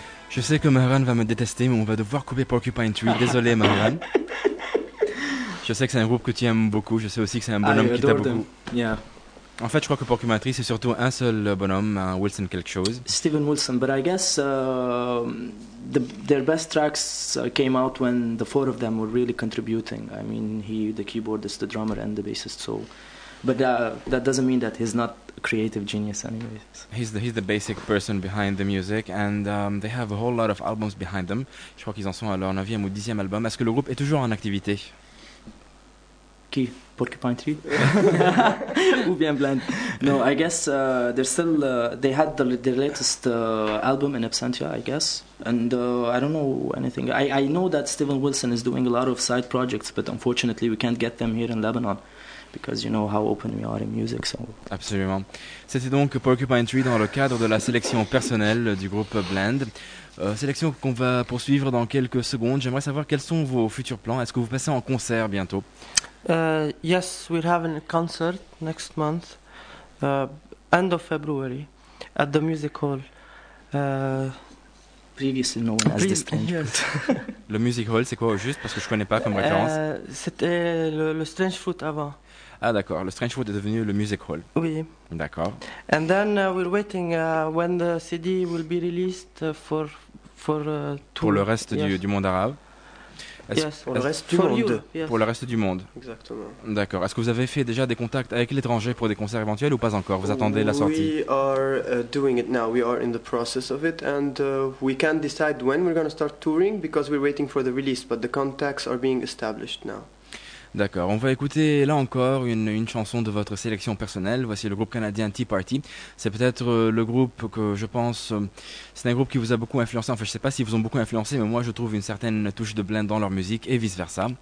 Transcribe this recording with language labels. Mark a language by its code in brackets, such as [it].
[fr] Je sais que Maren va me détester, mais on va devoir couper Porcupine Tree. Désolé, Maren. Je sais que c'est un groupe que tu aimes beaucoup. Je sais aussi que c'est un bonhomme qui t'a beaucoup. [en] Yeah. [fr] En fait, je crois que Porcupine Tree, c'est surtout un seul bonhomme, un Wilson quelque chose. [en] Steven Wilson, but I guess their best tracks came out when the four of them were really contributing. I mean, he, the keyboardist, the drummer and the bassist, so... But that doesn't mean that he's not a creative genius anyways. He's the basic person behind the music, and they have a whole lot of albums behind them. [fr] Je crois qu'ils en sont à leur 9e ou 10e album. Est-ce que le groupe est toujours en activité? Qui? Porcupine Tree? Ou bien Blend? [en] No, I guess they're still... they had their latest album in absentia, I guess. And I don't know anything. I know that Steven Wilson is doing a lot of side projects, but unfortunately we can't get them here in Lebanon. Because you know how open we are in music, so. [fr] Absolument. C'était donc Porcupine Tree dans le cadre de la sélection personnelle du groupe Blend. Sélection qu'on va poursuivre dans quelques secondes. J'aimerais savoir quels sont vos futurs plans. Est-ce que vous passez en concert bientôt? [en] Yes, we're having a concert next month, end of February, at the music hall. Previously known as the Strange Fruit. [fr] Le music hall, c'est quoi au juste? Parce que je connais pas comme référence. C'était le Strange Fruit avant. Ah d'accord, le Strange Fruit est devenu le music hall. Oui. D'accord. [en] And then we're waiting when the CD will be released for [fr] tour. Pour le reste, yes. Du monde arabe. Pour le reste du monde. Exactement. D'accord. Est-ce que vous avez fait déjà des contacts avec l'étranger pour des concerts éventuels ou pas encore? Vous attendez la sortie? [en] We are doing it now. We are in the process of it, and we can't decide when we're going to start touring because we're waiting for the release. But the contacts are being established now. [fr] D'accord, on va écouter là encore une chanson de votre sélection personnelle. Voici le groupe canadien Tea Party. C'est peut-être le groupe que je pense, c'est un groupe qui vous a beaucoup influencé. Enfin, je sais pas s'ils vous ont beaucoup influencé, mais moi je trouve une certaine touche de Blend dans leur musique et vice versa.